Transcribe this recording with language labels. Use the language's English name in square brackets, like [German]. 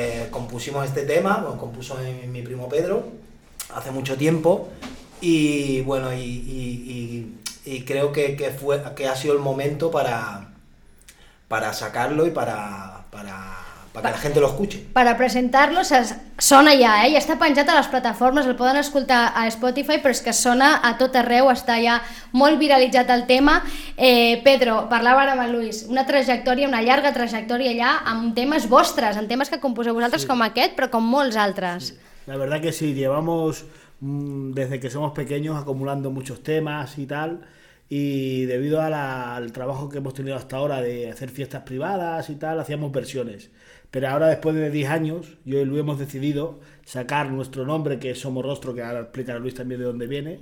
[Spanish] compusimos este tema, lo compuso mi primo Pedro hace mucho tiempo y bueno, y creo que ha sido el momento para sacarlo y para que la gente lo escuche. Para presentarlo, [Catalan] sona ja, ja està penjat a les plataformes, el poden escoltar a Spotify, però és que sona a tot arreu, està ja molt viralitzat el tema. Pedro, parlava ara amb el Luis, una trajectòria, una llarga trajectòria allà amb temes vostres, amb temes que composeu vosaltres, sí, com aquest, però com molts altres. [Spanish] Sí. La verdad que sí, llevamos desde que somos pequeños acumulando muchos temas y tal, y debido al trabajo que hemos tenido hasta ahora de hacer fiestas privadas y tal, hacíamos versiones. Pero ahora, después de 10 años, yo y Luis hemos decidido sacar nuestro nombre, que es Somos Rostro, que ahora explicará Luis también de dónde viene.